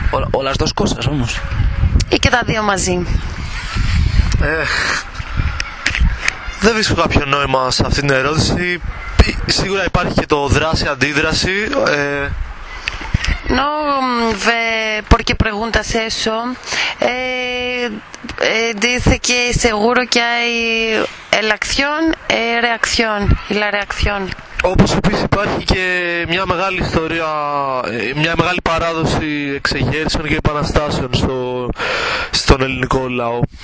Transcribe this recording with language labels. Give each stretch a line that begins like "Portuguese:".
Spanish: O las dos cosas, vamos. Y queda dos más.
Greek: Δεν βρίσκω κάποιο νόημα σε αυτήν την ερώτηση. Σίγουρα υπάρχει και το δράση-αντίδραση.
Spanish: No, porque preguntas eso. Dice que seguro que hay la acción y reacción. Y la reacción.
Greek: Όπως επίσης υπάρχει και μια μεγάλη ιστορία, μια μεγάλη παράδοση εξεγέρσεων και επαναστάσεων στον ελληνικό λαό.